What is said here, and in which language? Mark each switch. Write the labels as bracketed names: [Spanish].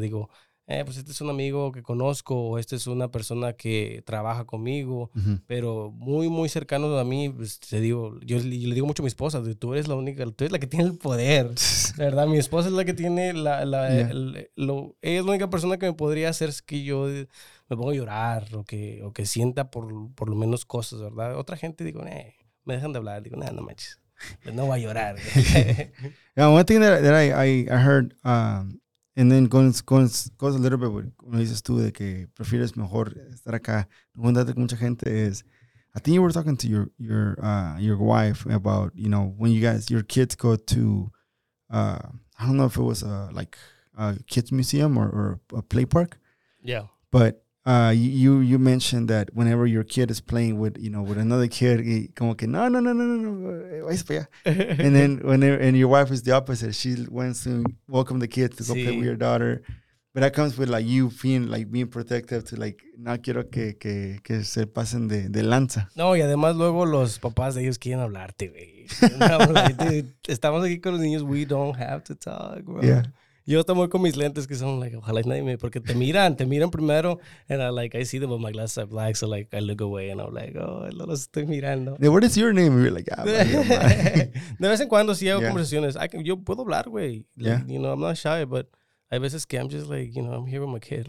[Spanish] Digo, pues este es un amigo que conozco, o este es una persona que trabaja conmigo, pero muy, muy cercano a mí, pues te digo, yo le digo mucho a mi esposa, tú eres la única, tú eres la que tiene el poder, ¿verdad? Mi esposa es la que tiene ella es la única persona que me podría hacer que yo me ponga a llorar, o que sienta por lo menos cosas, ¿verdad? Otra gente, digo, me dejan de hablar, digo, no manches, no voy a llorar. [English] One thing that I heard... And then goes a little bit, [Spanish] como dices tú, de que prefieres mejor estar acá, juntarte con mucha gente, es, [English] I think you were talking to your wife about, you know, when you guys, your kids go to, I don't know if it was a kids museum or a play park. Yeah. But you mentioned that whenever your kid is playing with, you know, with another kid, [Spanish] y como que, no, vayas para allá. [English] And then, and your wife is the opposite. She wants to welcome the kids to go play with your daughter. But that comes with, like, you being, like, being protective to, like, [Spanish] no quiero que se pasen de lanza. No, y además luego los papás de ellos quieren hablarte, güey. [English] Like, [Spanish] estamos aquí con los niños, [English] we don't have to talk, bro. Yeah. [Spanish] Yo estoy muy con mis lentes que son, like, ojalá nadie me... Porque te miran primero, [English] and I, like, I see them, but my glasses are black, so, like, I look away, and I'm like, [Spanish] no los estoy mirando. [English] Now, what is your name? You're like, [Spanish] De vez en cuando, sí hago conversaciones. Yo puedo hablar, güey. [English] Like, you know, I'm not shy, but [Spanish] hay veces que [English] I'm just like, you know, I'm here with my kid.